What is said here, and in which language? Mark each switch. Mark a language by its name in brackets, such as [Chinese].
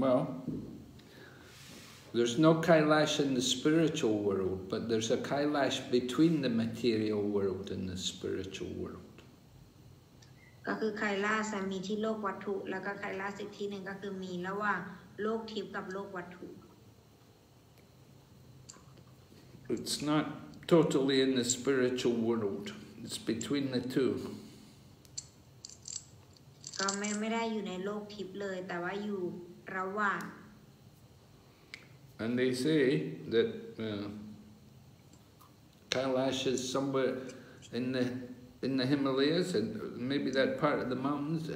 [English] Well, there's no Kailash in the spiritual world, but there's a Kailash between the material world and the spiritual world. [Thai] ก็คือ Kailash มีที่โลกวัตถุแล้วก็ Kailash อีกที่นึงก็คือมีระหว่างโลกทิพย์กับโลกวัตถุ [English] It's not totally in the spiritual world. It's between the two. And they say that Kailash is somewhere in the Himalayas, and maybe that part of the mountains.